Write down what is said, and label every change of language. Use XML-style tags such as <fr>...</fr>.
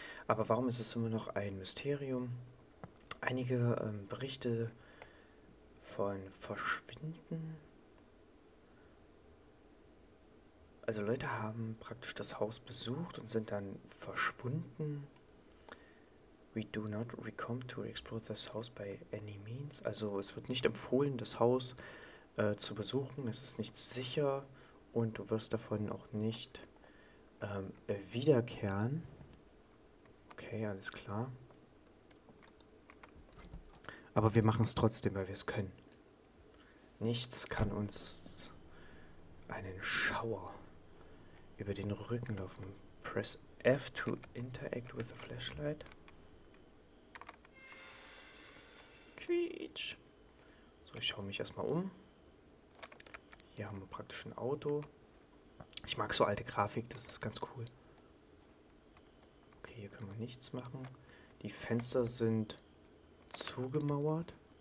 <de>Aber warum ist es immer noch ein Mysterium? Einige Berichte von Verschwinden. Also Leute haben praktisch das Haus besucht und sind dann verschwunden.</de> <en>We do not recommend to explore this house by any means.</en> <de>Also es wird nicht empfohlen, das Haus zu besuchen. Es ist nicht sicher und du wirst davon auch nicht wiederkehren. Okay, alles klar. Aber wir machen es trotzdem, weil wir es können. Nichts kann uns einen Schauer über den Rücken laufen.</de> <en>Press F to interact with the flashlight.</en> <de>Quietsch. So, ich schaue mich erstmal um. Hier haben wir praktisch ein Auto. Ich mag so alte Grafik, das ist ganz cool. Okay, hier können wir nichts machen. Die Fenster sind zugemauert.</de>